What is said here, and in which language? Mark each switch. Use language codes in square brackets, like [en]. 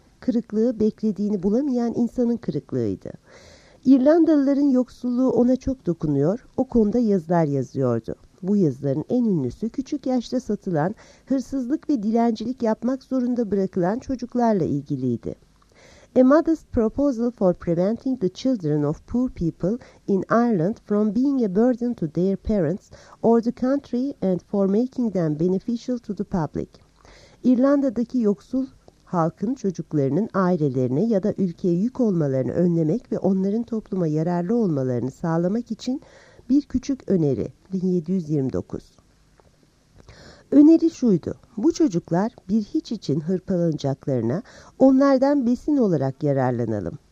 [tr] Kırıklığı beklediğini bulamayan insanın kırıklığıydı. İrlandalıların yoksulluğu ona çok dokunuyor, o konuda yazılar yazıyordu. Bu yazıların en ünlüsü küçük yaşta satılan, hırsızlık ve dilencilik yapmak zorunda bırakılan çocuklarla ilgiliydi. [en] A Mother's Proposal for Preventing the Children of Poor People in Ireland from Being a Burden to Their Parents or the Country and for Making Them Beneficial to the Public. [tr] İrlanda'daki yoksul halkın çocuklarının ailelerine ya da ülkeye yük olmalarını önlemek ve onların topluma yararlı olmalarını sağlamak için bir küçük öneri, 1729. Öneri şuydu: bu çocuklar bir hiç için hırpalanacaklarına onlardan besin olarak yararlanalım.